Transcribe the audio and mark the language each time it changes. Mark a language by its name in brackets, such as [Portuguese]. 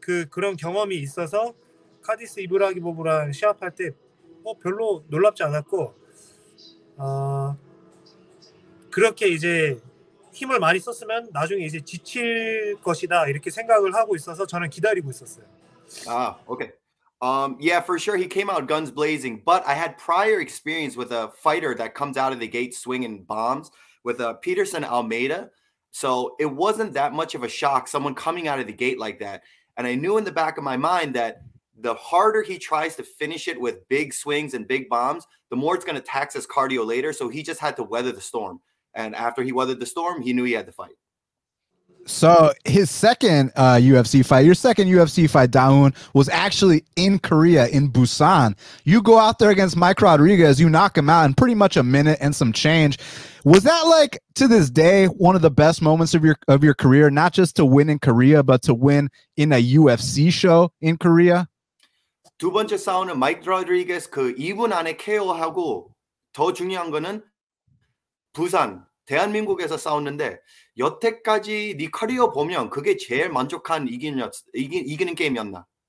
[Korean] 그런 경험이 있어서 카디스 이브라기모프랑 시합할 때 별로 놀랍지 않았고 그렇게 이제 힘을 많이 썼으면 나중에 이제 지칠 것이다 이렇게 생각을 하고 있어서 저는 기다리고 있었어요. 아, 오케이. [English] Yeah, for sure, he came out guns blazing, but I had prior experience with a fighter that comes out of the gate swinging bombs with a Peterson Almeida, so it wasn't that much of a shock, someone coming out of the gate like that, and I knew in the back of my mind that the harder he tries to finish it with big swings and big bombs, the more it's going to tax his cardio later, so he just had to weather the storm, and after he weathered the storm, he knew he had to fight. So his second UFC fight, your second UFC fight, Daun, was actually in Korea, in Busan. You go out there against Mike Rodriguez, you knock him out in pretty much a minute and some change. Was that, like, to this day, one of the best moments of your career, not just to win in Korea, but to win in a UFC show in Korea? [Korean] 두 번째 싸우는 마이크 로드리게스 그 2분 안에 KO하고 더 중요한 거는 부산. 대한민국에서 싸웠는데 여태까지 네 커리어 보면 그게 제일 만족한 이기는 게임이었나?